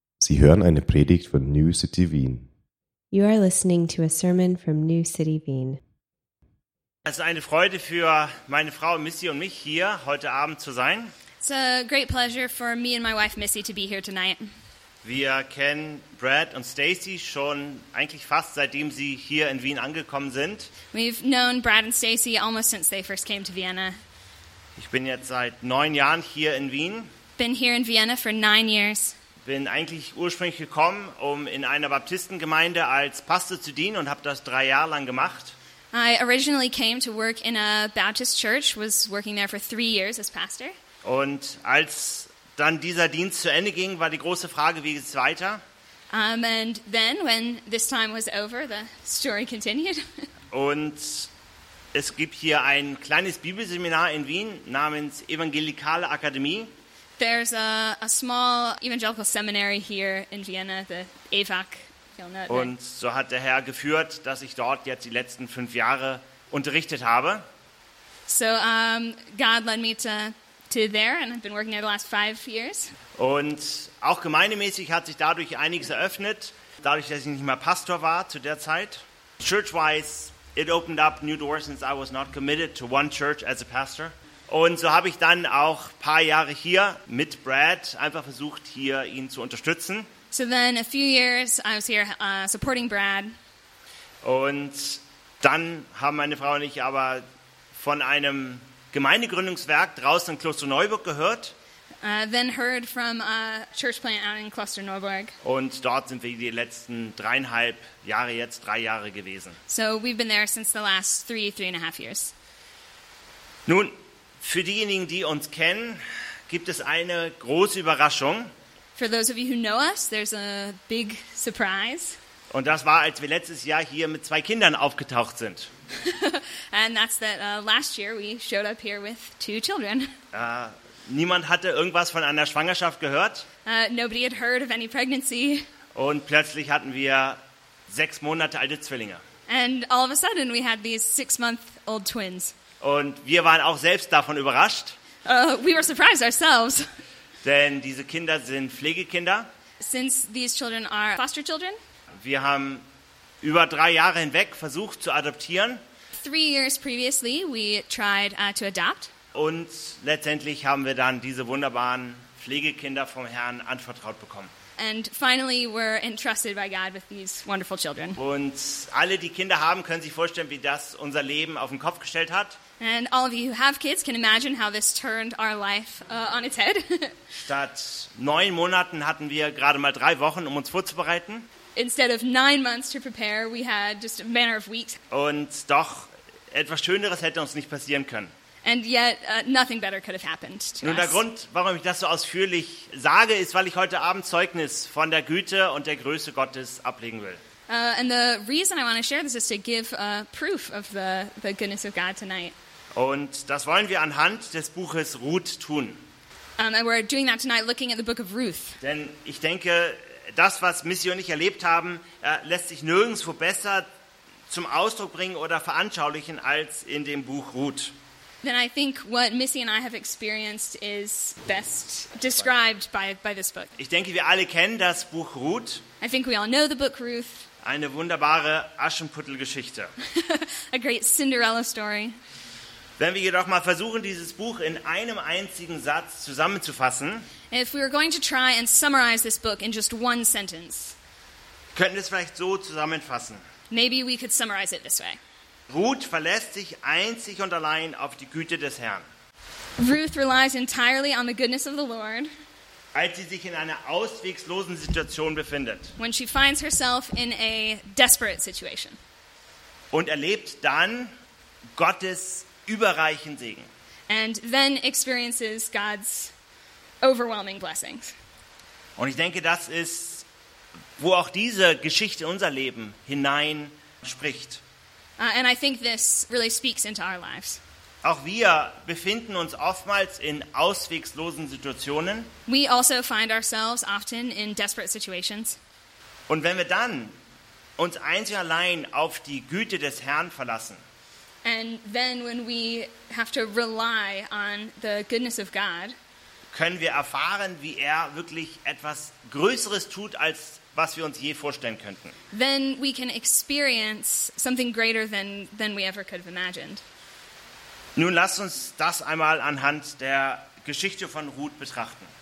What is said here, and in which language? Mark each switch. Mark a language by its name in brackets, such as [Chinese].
[German] Sie hören eine Predigt von New City Wien. [English] You are listening to a sermon from New City Wien. [German] Es ist eine Freude für meine Frau Missy und mich hier heute Abend zu sein. [English] It's a great pleasure for me and my wife Missy to be here tonight. [German] Wir kennen Brad und Stacy schon eigentlich fast seitdem sie hier in Wien angekommen sind. [English] We've known Brad and Stacy almost since they first came to Vienna. [German] Ich bin jetzt seit 9 Jahren hier in Wien. [English] Been here in Vienna for 9 years. [German] Bin eigentlich ursprünglich gekommen, um in einer Baptistengemeinde als Pastor zu dienen und habe das 3 Jahre lang gemacht. [English] I originally came to work in a Baptist church, was working there for 3 years as pastor. [German] Und als dann dieser Dienst zu Ende ging, war die große Frage, wie geht's weiter? [English] And then, when this time was over, the story continued. [German] Und es gibt hier ein kleines Bibelseminar in Wien namens Evangelikale Akademie. [English] There's a small evangelical seminary here in Vienna, the EVAC. [German] Und so hat der Herr geführt, dass ich dort jetzt die letzten 5 Jahre unterrichtet habe. [English] So God led me to there and I've been working there the last 5 years. [German] Und auch gemeindemäßig hat sich dadurch einiges eröffnet, dadurch, dass ich nicht mehr Pastor war zu der Zeit. [English] Church-wise, it opened up new doors since I was not committed to one church as a pastor. [German] Und so habe ich dann auch ein paar Jahre hier mit Brad einfach versucht, hier ihn zu unterstützen. [English] So then a few years I was here supporting Brad. [German] Und dann haben meine Frau und ich aber von einem Gemeindegründungswerk draußen in Klosterneuburg gehört. [English] Then heard from a church plant out in Klosterneuburg. [German] Und dort sind wir die letzten 3,5 Jahre jetzt 3 Jahre gewesen. [English] So we've been there since the last 3 and a half years. [German] Nun, für diejenigen, die uns kennen, gibt es eine große Überraschung. [English] For those of you who know us, there's a big surprise. [German] Und das war, als wir letztes Jahr hier mit 2 Kindern aufgetaucht sind. [English] And that's that last year we showed up here with 2 children. [German] Niemand hatte irgendwas von einer Schwangerschaft gehört. [English] Nobody had heard of any pregnancy. [German] Und plötzlich hatten wir 6 Monate alte Zwillinge. [English] And all of a sudden we had these 6-month-old twins. [German] Und wir waren auch selbst davon überrascht. [English] We were surprised ourselves. [German] Denn diese Kinder sind Pflegekinder. [English] Since these children are foster children. [German] Wir haben über 3 Jahre hinweg versucht zu adoptieren. [English] 3 years previously we tried to adopt. [German] Und letztendlich haben wir dann diese wunderbaren Pflegekinder vom Herrn anvertraut bekommen. [English] And finally we're entrusted by God with these wonderful children. [German] Und alle, die Kinder haben, können sich vorstellen, wie das unser Leben auf den Kopf gestellt hat. [English] And all of you who have kids can imagine how this turned our life on its head. [German] Statt 9 Monaten hatten wir gerade mal 3 Wochen, um uns vorzubereiten. [English] Instead of 9 months to prepare, we had just a matter of weeks. [German] Und doch, etwas Schöneres hätte uns nicht passieren können. [English] And yet, nothing better could have happened to us. [German] Nun, der Grund, warum ich das so ausführlich sage, ist, weil ich heute Abend Zeugnis von der Güte und der Größe Gottes ablegen will. [English] And the reason I want to share this is to give proof of the goodness of God tonight. [German] Und das wollen wir anhand des Buches Ruth tun. [English] And we're doing that tonight looking at the book of Ruth. [German] Denn ich denke, das, was Missy und ich erlebt haben, lässt sich nirgendwo besser zum Ausdruck bringen oder veranschaulichen als in dem Buch Ruth. [English] Then I think what Missy and I have experienced is best described by this book. [German] Ich denke, wir alle kennen das Buch Ruth. [English] I think we all know the book Ruth. [German] Eine wunderbare Aschenputtelgeschichte. [English] A great Cinderella story. [German] Wenn wir jedoch mal versuchen, dieses Buch in einem einzigen Satz zusammenzufassen, [English] if we were going to try and summarize this book in just one sentence, [German] könnten wir es vielleicht so zusammenfassen. [English] Maybe we could summarize it this way. [German] Ruth verlässt sich einzig und allein auf die Güte des Herrn. [English] Ruth relies entirely on the goodness of the Lord. [German] Als sie sich in einer ausweglosen Situation befindet. [English] When she finds herself in a desperate situation. [German] Und erlebt dann Gottes überreichen Segen. [English] And then experiences God's overwhelming blessings. [German] Und ich denke, das ist, wo auch diese Geschichte in unser Leben hinein spricht. [English] And I think this really speaks into our lives. [German] Auch wir befinden uns oftmals in ausweglosen Situationen. [English] We also find ourselves often in desperate situations. [German] Und wenn wir dann uns einzig allein auf die Güte des Herrn verlassen. [English] And then when we have to rely on the goodness of God. [German] können wir erfahren, wie er wirklich etwas Größeres tut, als was wir uns je vorstellen könnten. [English] Then we can experience something greater than we ever could have imagined. [German] Nun lasst uns das einmal anhand der Geschichte von Ruth betrachten.